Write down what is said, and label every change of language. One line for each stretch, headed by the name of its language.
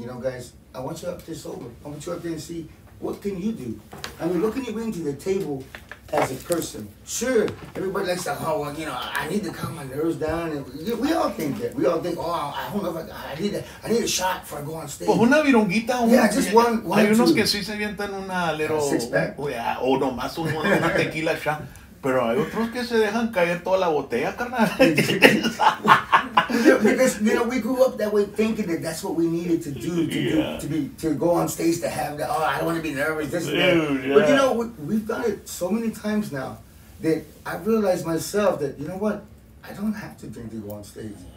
English: You know, guys, I want you up there sober. I want you up there and see, what can you do? I mean, what can you bring to the table as a person? Sure, everybody likes to, oh, well, you know, I need to calm my nerves down. And we all think that. We all think, oh, I don't know if I need a shot before I go on stage.
Spanish: Well, una virunguita,
English: one. Yeah, just one.
Spanish: Hay unos que sí se avientan una little...
English: Six pack.
Spanish: Yeah, o no más una tequila shot. Pero hay otros que se dejan caer toda la botella, carnal.
English: Because, you know, we grew up that way thinking that that's what we needed to do, to go on stage, to have that, oh, I don't want to be nervous, this dude, and that. Yeah. But, you know, we've done it so many times now that I've realized myself that, you know what, I don't have to drink to go on stage.